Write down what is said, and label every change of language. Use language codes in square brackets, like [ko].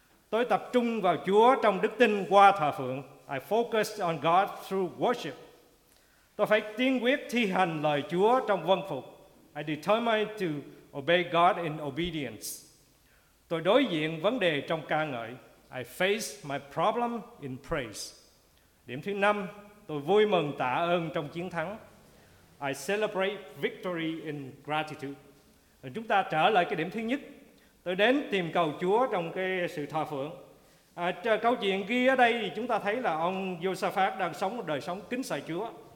[vi] Tôi tập trung vào Chúa trong đức tin qua thờ phượng. [en] I focus on God through worship. [vi] Tôi phải tiên quyết thi hành lời Chúa trong vâng phục. [en] I determine to obey God in obedience. [vi] Tôi đối diện vấn đề trong ca ngợi. [en] I face my problem in praise. [vi] Điểm thứ năm, tôi vui mừng tạ ơn trong chiến thắng. [en] I celebrate victory in gratitude. [vi] Chúng ta trở lại cái điểm thứ nhất. Tôi đến tìm cầu Chúa trong cái sự thờ phượng. Câu chuyện ghi ở đây thì chúng ta thấy là ông Jehoshaphat đang sống một đời sống kính sợ Chúa.